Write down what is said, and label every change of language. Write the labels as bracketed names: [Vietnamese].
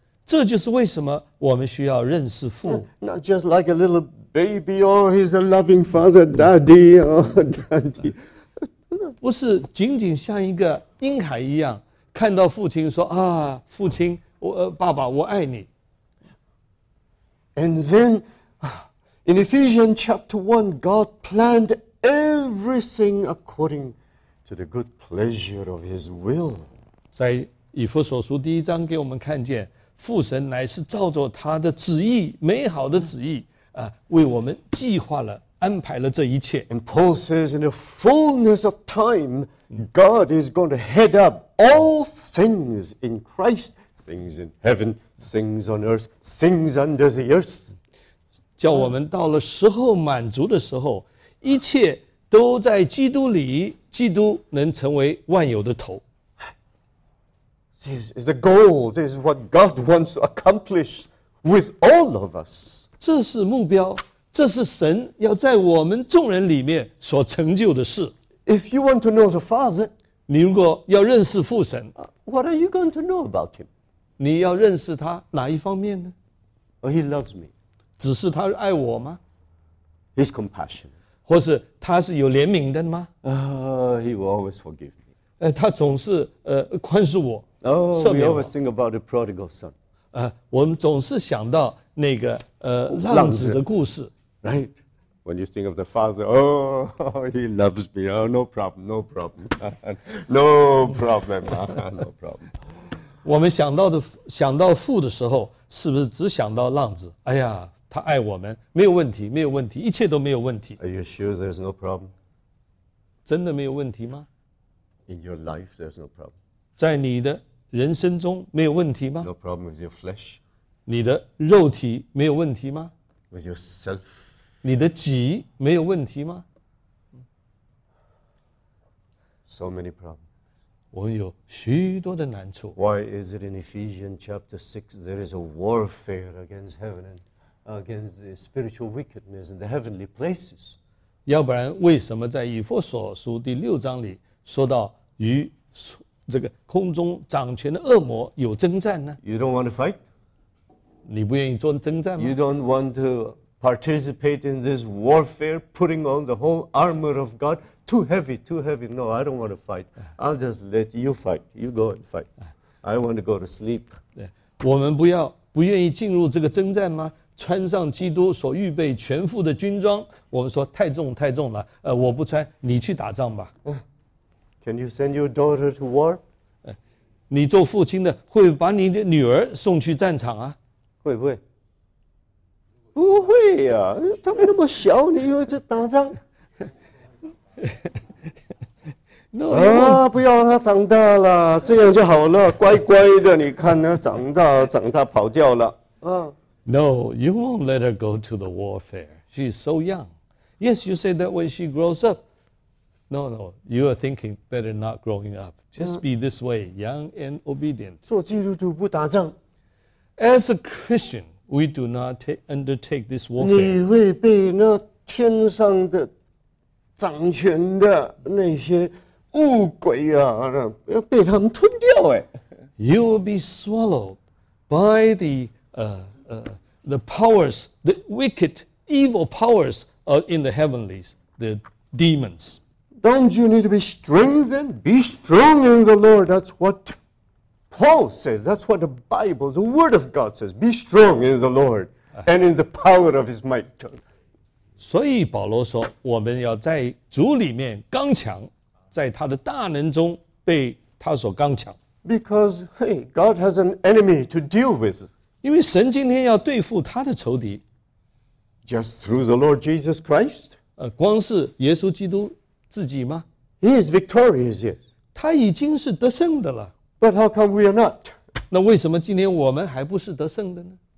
[Chinese] 这就是为什么我们需要认识父。 [English] Not just like a little baby, or he's a loving father, daddy, or daddy. [Chinese] 不是仅仅像一个婴孩一样，看到父亲说啊，父亲，爸爸，我爱你。 [English] And then, in Ephesians chapter 1, God planned everything according to the good pleasure of his will. [Chinese] 在以弗所书第一章给我们看见，父神乃是照着他的旨意，美好的旨意，为我们计划了，安排了这一切。 [English] And Paul says in the fullness of time, God is going to head up all things in Christ, things in heaven, things on earth, things under the earth. [Chinese] 叫我们到了时候满足的时候，一切都在基督里，基督能成为万有的头。 [English] This is the goal. This is what God wants to accomplish with all of us. [Chinese] 这是目标，这是神要在我们众人里面所成就的事。 [English] If you want to know the Father, [Chinese] 你如果要认识父神， [English] What are you going to know about him? [Chinese] 你要认识他哪一方面呢？ [English] Oh, he loves me. [Chinese] 只是他爱我吗？ [English] He's compassionate. [Chinese] 或是他是有怜悯的吗？ [English] He will always forgive me. [Chinese] 他总是宽恕我。 [English] We always think about the prodigal son. [Chinese] 我们总是想到那个浪子的故事。 [English] Right? When you think of the father, oh, he loves me. Oh, no problem, no problem, no problem, no problem. [Chinese] 我们想到父的时候，是不是只想到浪子？哎呀。他爱我们，没有问题，没有问题，一切都没有问题。 [English] Are you sure there's no problem? [Chinese] 真的没有问题吗？ [English] In your life, there's no problem. [Chinese] 在你的人生中没有问题吗？ [English] No problem with your flesh. [Chinese] 你的肉体没有问题吗？ [English] With yourself. [Chinese] 你的己没有问题吗？ [English] So many problems. [Chinese] 我们有许多的难处。 [English] Why is it in Ephesians chapter 6 there is a warfare against heaven and against the spiritual wickedness in the heavenly places. [Chinese] 要不然为什么在以弗所书第六章里说到与这个空中掌权的恶魔有征战呢？ [English] You don't want to fight? [Chinese] 你不愿意做征战吗？ [English] You don't want to participate in this warfare, putting on the whole armor of God? Too heavy, too heavy. No, I don't want to fight. I'll just let you fight. You go and fight. I want to go to sleep. [Chinese] 我们不愿意进入这个征战吗？穿上基督所预备全副的军装，我们说太重太重了，我不穿，你去打仗吧。 [English] Can you send your daughter to war? [Chinese] 你做父亲的会把你的女儿送去战场啊？会不会？不会呀，他们那么小，你又去打仗？ [English] No, [Chinese] 不要他长大了，这样就好了，乖乖的，你看他长大，长大跑掉了， [English] No, you won't let her go to the warfare. She's so young. Yes, you say that when she grows up. No, no, you are thinking better not growing up. Just be this way, young and obedient. [Chinese] 做基督徒不打仗。 [English] As a Christian, we do not undertake this warfare. [Chinese] 你会被那天上的掌权的那些恶鬼啊，要被他们吞掉哎。 [English] You will be swallowed by the powers, the wicked, evil powers are in the heavenlies, the demons. Don't you need to be strengthened? Be strong in the Lord. That's what Paul says. That's what the Bible, the Word of God says. Be strong in the Lord and in the power of His might. [Chinese] 所以保罗说，我们要在主里面刚强，在他的大能中被他所刚强。 [English] Because hey, God has an enemy to deal with. [Chinese] 因为神今天要对付他的仇敌。 [English] Just through the Lord Jesus Christ. [Chinese] 光是耶稣基督自己吗？ [English] He is victorious. Yes. [Chinese] 他已经是得胜的了。 [English] But how come we are not? [Chinese] 那为什么今天我们还不是得胜的呢？